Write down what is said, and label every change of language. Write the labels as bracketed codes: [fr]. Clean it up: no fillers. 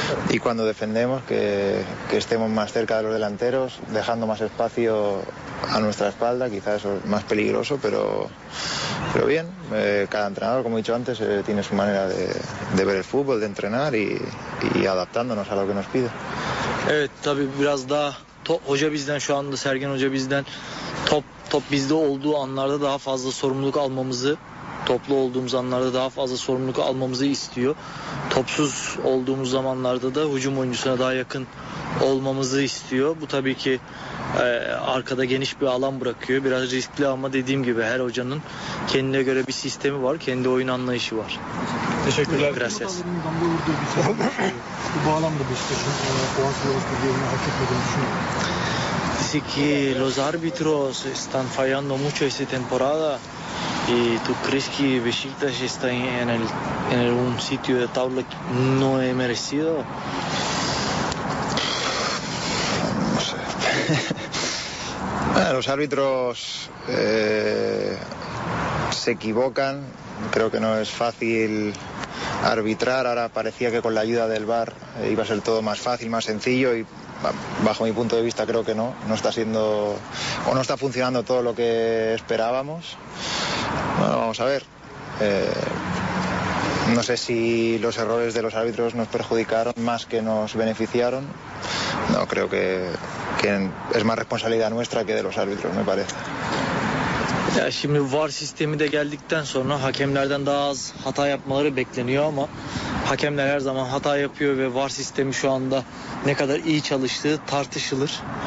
[es] Y cuando defendemos, que estemos más cerca de los delanteros, dejando más espacio a nuestra espalda, quizá eso es más peligroso, pero bien. Cada entrenador, como he dicho antes, tiene su manera de ver el fútbol, de entrenar y adaptándonos a lo que nos pide. [tr] Evet, tabii biraz daha hoca bizden şu anda, Sergen Hoca bizden top bizde olduğu anlarda daha fazla sorumluluk almamızı, toplu olduğumuz anlarda daha fazla sorumluluk almamızı istiyor. Topsuz olduğumuz zamanlarda da hücum oyuncusuna daha yakın olmamızı istiyor. Bu tabii ki arkada geniş bir alan bırakıyor. Biraz riskli ama dediğim gibi her hocanın kendine göre bir sistemi var. Kendi oyun anlayışı var. Teşekkürler. [es] Gracias. [tr] Bu bağlamda Beşiktaş'ın puan sıralarını hak etmediğini düşünüyorum. [es] Dice ki los árbitros están fallando mucho esta temporada. ¿Y tú crees que Beşiktaş está en un sitio de tabla que no he merecido? No sé. Bueno, los árbitros se equivocan. Creo que no es fácil arbitrar. Ahora parecía que con la ayuda del VAR iba a ser todo más fácil, más sencillo y bajo mi punto de vista creo que no está siendo o no está funcionando todo lo que esperábamos. Bueno, vamos a ver. No sé si los errores de los árbitros nos perjudicaron más que nos beneficiaron. No, creo que que es más responsabilidad nuestra que de los árbitros, me parece. [tr] Ya şimdi VAR sistemi de geldikten sonra hakemlerden daha az hata yapmaları bekleniyor ama hakemler her zaman hata yapıyor ve VAR sistemi şu anda ne kadar iyi çalıştığı tartışılır.